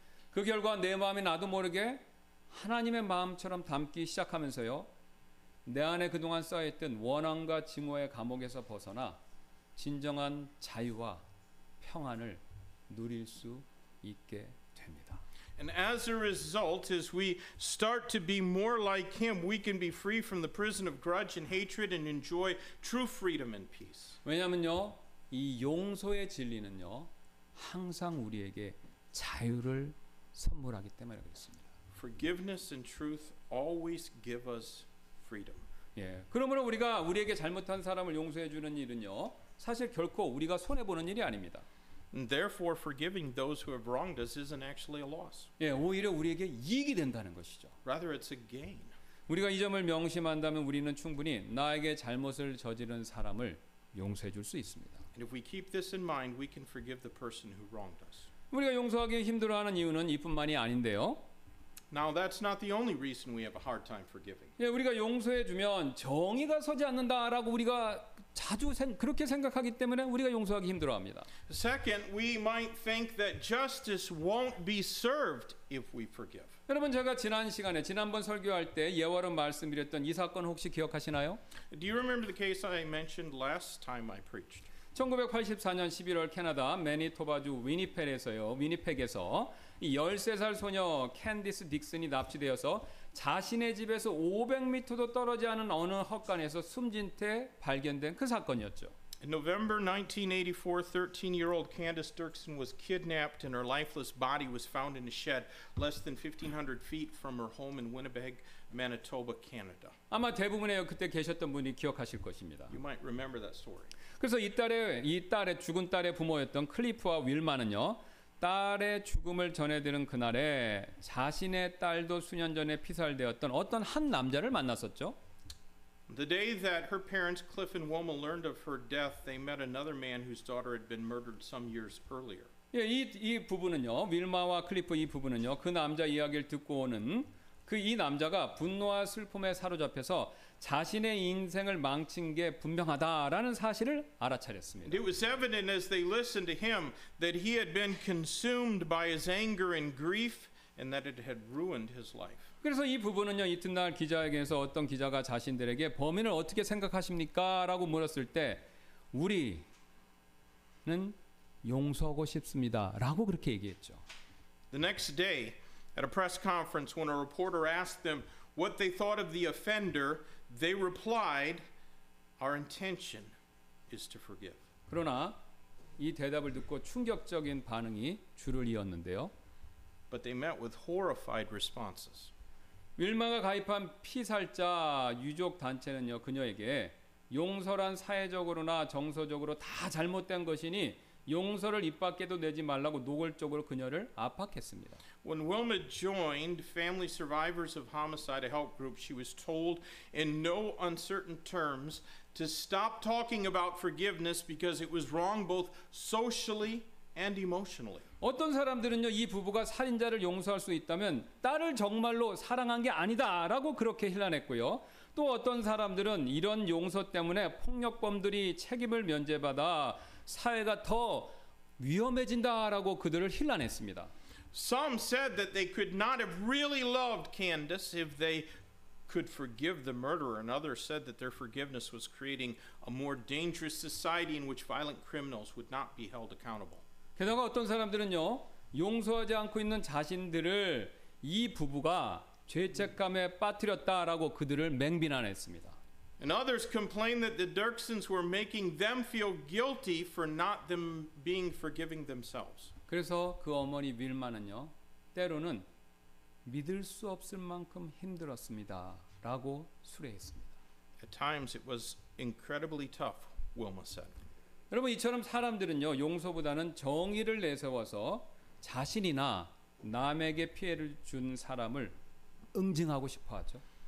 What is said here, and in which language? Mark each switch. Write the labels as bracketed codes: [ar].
[ko] 그 결과 내 마음이 나도 모르게 하나님의 마음처럼 담기 시작하면서요. 내 안에 그동안 쌓여있던 원한과 증오의 감옥에서 벗어나 진정한 자유와 평안을 누릴 수 있게 됩니다. [en] And as a result, as we start to be more like Him, we can be free from the prison of grudge and hatred and enjoy true freedom and peace. [ko] 왜냐하면요, 이 용서의 진리는요, 항상 우리에게 자유를 선물하기 때문에 그렇습니다. [en] Forgiveness and truth always give us freedom. [ko] 예, 그러므로 우리가 우리에게 잘못한 사람을 용서해 주는 일은요, 사실 결코 우리가 손해 보는 일이 아닙니다. [en] And therefore, forgiving those who have wronged us isn't actually a loss. [ko] 예, 오히려 우리에게 이익이 된다는 것이죠. [en] Rather, it's a gain. [ko] 우리가 이 점을 명심한다면 우리는 충분히 나에게 잘못을 저지른 사람을 용서해 줄 수 있습니다. [en] And if we keep this in mind, we can forgive the person who wronged us. [ko] 우리가 용서하기 힘들어하는 이유는 이뿐만이 아닌데요. [en] Now, that's not the only reason we have a hard time forgiving. [ko] 예, 우리가 용서해 주면 정의가 서지 않는다라고 우리가 자주 그렇게 생각하기 때문에 우리가 용서하기 힘들어합니다. [en] Second, we might think that justice won't be served if we forgive. [ko] 여러분 제가 지난 시간에 지난번 설교할 때 예화로 말씀드렸던 이 사건 혹시 기억하시나요? [en] Do you remember the case I mentioned last time I preached? [ko] 1984년 11월 캐나다 매니토바주 위니펙에서 13살 소녀 캔디스 딕슨이 납치되어서 자신의 집에서 500m도 떨어지지 않은 어느 헛간에서 숨진 채 발견된 그 사건이었죠. [en] In November 1984, 13-year-old Candace Dirksen was kidnapped and her lifeless body was found in a shed less than 1500 feet from her home in Winnipeg, Manitoba, Canada. [ko] 아마 대부분의 그때 계셨던 분이 기억하실 것입니다. [en] You might remember that story. [ko] 그래서 이 딸의 죽은 딸의 부모였던 클리프와 윌마는요. 딸의 죽음을 전해드는 그날에 자신의 딸도 수년 전에 피살되었던 어떤 한 남자를 만났었죠. [en] The day that her parents Cliff and Wilma learned of her death, they met another man whose daughter had been murdered some years earlier. [ko] 예, 이 부부는요. 윌마와 클리프 이 부부는요. 그 남자 이야기를 듣고 오는 그 이 남자가 분노와 슬픔에 사로잡혀서 자신의 인생을 망친 게 분명하다라는 사실을 알아차렸습니다. [en] It was evident as they listened to him that he had been consumed by his anger and grief and that it had ruined his life. [ko] 그래서 이 부부는요, 이튿날 기자에게서 어떤 기자가 자신들에게 범인을 어떻게 생각하십니까? 라고 물었을 때 우리는 용서하고 싶습니다. 라고 그렇게 얘기했죠. [en] The next day at a press conference when a reporter asked them what they thought of the offender, they replied, "Our intention is to forgive." [ko] 그러나 이 대답을 듣고 충격적인 반응이 줄을 이었는데요. [en] But they met with horrified responses. [ko] 윌마가 가입한 피살자 유족 단체는요, 그녀에게 용서란 사회적으로나 정서적으로 다 잘못된 것이니 용서를 입 밖에도 내지 말라고 노골적으로 그녀를 압박했습니다. [en] When Wilma joined Family Survivors of Homicide, a help group, she was told in no uncertain terms to stop talking about forgiveness because it was wrong both socially and emotionally. [ko] 어떤 사람들은요, 이 부부가 살인자를 용서할 수 있다면 딸을 정말로 사랑한 게 아니다라고 그렇게 힐난했고요. 또 어떤 사람들은 이런 용서 때문에 폭력범들이 책임을 면제받아 사회가 더 위험해진다라고 그들을 힐난했습니다. [en] Some said that they could not have really loved Candace if they could forgive the murderer, and others said that their forgiveness was creating a more dangerous society in which violent criminals would not be held accountable. [ko] 게다가 어떤 사람들은요, 용서하지 않고 있는 자신들을 이 부부가 죄책감에 빠뜨렸다라고 그들을 맹비난했습니다. [en] And others complained that the Dirksons were making them feel guilty for not them being forgiving themselves. [ko] 그래서 그 어머니 윌마는요, 때로는 믿을 수 없을 만큼 힘들었습니다라고 수례했습니다. [en] At times it was incredibly tough, Wilma said. [ko] 여러분 이처럼 사람들은요, 용서보다는 정의를 내세워서 자신이나 남에게 피해를 준 사람을 응징하고 싶어 하죠.